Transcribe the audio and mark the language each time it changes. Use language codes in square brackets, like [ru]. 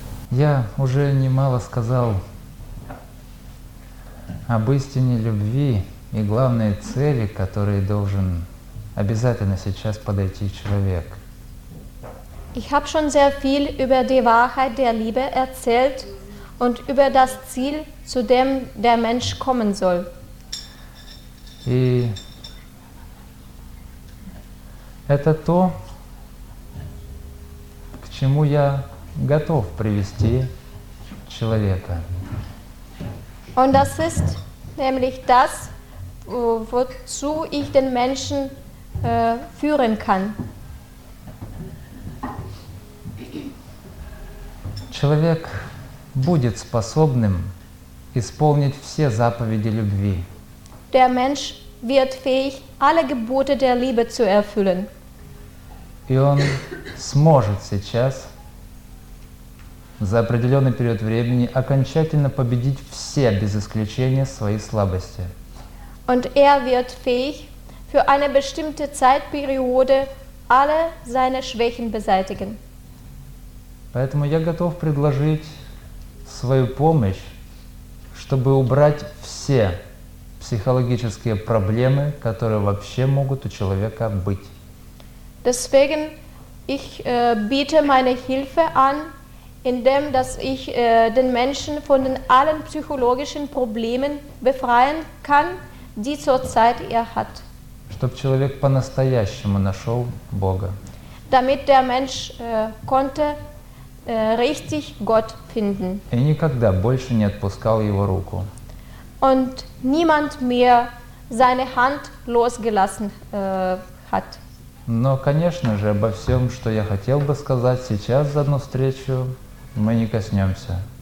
[ru] Я уже немало сказал об истине любви и главной цели, к которой должен обязательно сейчас подойти человек. [de] Ich habe schon sehr viel über die Wahrheit der Liebe erzählt und über das Ziel, zu dem der Mensch kommen soll. [ru] И это то, к чему я готов привести человека. [de] Und das ist nämlich das, wozu ich den Menschen führen kann. [ru] Человек будет способным исполнить все заповеди любви. [de] Der Mensch wird fähig, alle Gebote der Liebe zu erfüllen. [ru] И он сможет сейчас за определенный период времени окончательно победить все, без исключения, свои слабости. [de] Und wird fähig, für eine bestimmte Zeitperiode alle seine Schwächen beseitigen. [ru] Поэтому я готов предложить свою помощь, чтобы убрать все психологические проблемы, которые вообще могут у человека быть. [de] Deswegen, ich biete meine Hilfe an, indem dass ich den Menschen von den allen psychologischen Problemen befreien kann, die zurzeit er hat. [ru] Чтобы человек по-настоящему нашел Бога. [de] Damit der Mensch konnte richtig Gott finden. [ru] И никогда больше не отпускал его руку. [de] Und niemand mehr seine Hand losgelassen hat. [ru] Но, конечно же, обо всем, что я хотел бы сказать сейчас за одну встречу, мы не коснемся.